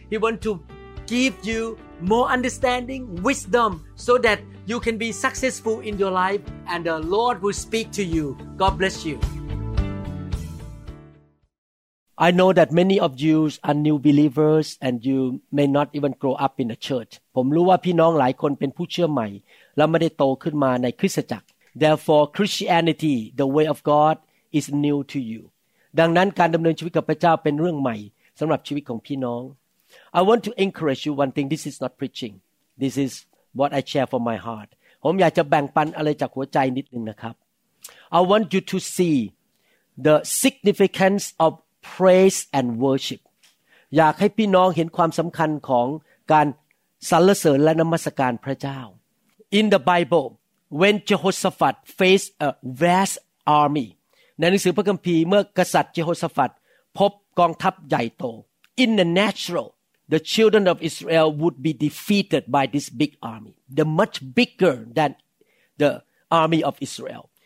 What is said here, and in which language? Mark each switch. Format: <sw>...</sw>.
<en>He wants to give you more understanding, wisdom, so that you can be successful in your life and the Lord will speak to you. God bless you. I know that many of you are new believers and you may not even grow up in a church.</en> <th>ผมรู้ว่าพี่น้องหลายคนเป็นผู้เชื่อใหม่และไม่ได้โตขึ้นมาในคริสตจักร</th> <en>Therefore, Christianity, the way of God, is new to you.</en> <th>ดังนั้นการดำเนินชีวิตกับพระเจ้าเป็นเรื่องใหม่สำหรับชีวิตของพี่น้อง</th> <en>I want to encourage you one thing. This is not preaching. This is what I share from my heart.</en> <th>ผมอยากจะแบ่งปันอะไรจากหัวใจนิดนึงนะครับ</th> <en>I want you to see the significance of praise and worship.</en> <th>อยากให้พี่น้องเห็นความสำคัญของการสรรเสริญและนมัสการพระเจ้า</th> <en>In the Bible, when Jehoshaphat faced a vast army,</en> <th>ในหนังสือพระคัมภีร์เมื่อกษัตริย์เจโฮสฟัตพบกองทัพใหญ่โต</th> <en>In the natural, the children of Israel would be defeated by this big army, the much bigger than the army of Israel.</en>